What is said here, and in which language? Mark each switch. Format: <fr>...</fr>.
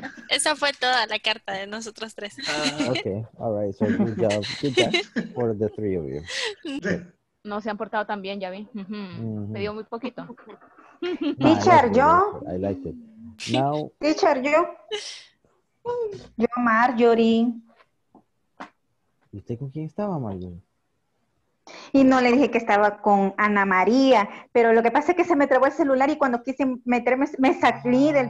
<es>Esa fue toda la carta de nosotros tres.</es> <en>Okay, all right. So good job for the three of you.</en> <es>No se han portado tan bien, ya vi. Mm-hmm. Me dio muy poquito. Teacher, yo.</es> <en>I liked it. Now.</en> <es>Teacher, yo. Yo, Marjorie. ¿Y usted con quién estaba, Marjorie? Y no le dije que estaba con Ana María, pero lo que pasa es que se me trabó el celular y cuando quise meterme, me salí del...</es>